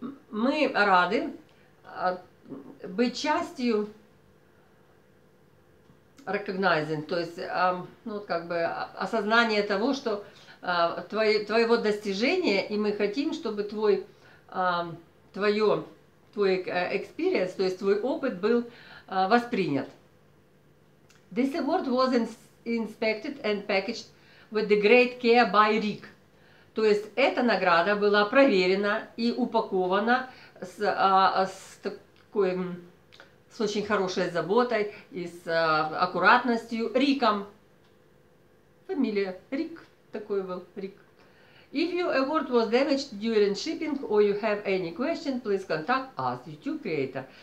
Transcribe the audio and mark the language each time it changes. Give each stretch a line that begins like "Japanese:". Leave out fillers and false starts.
Russian: Мы рады быть частью recognizing, то есть, ну, вот как бы осознание того, что твоего достижения, и мы хотим, чтобы твой experience, то есть твой опыт был воспринят.
English: This award was inspected and packaged with the great care by Rick.
Russian: То есть эта награда была проверена и упакована с очень хорошей заботой и с аккуратностью Риком. Фамилия Рик. Такой был Рик.
English: If your award was damaged during shipping or you have any question, please contact us, YouTube creator.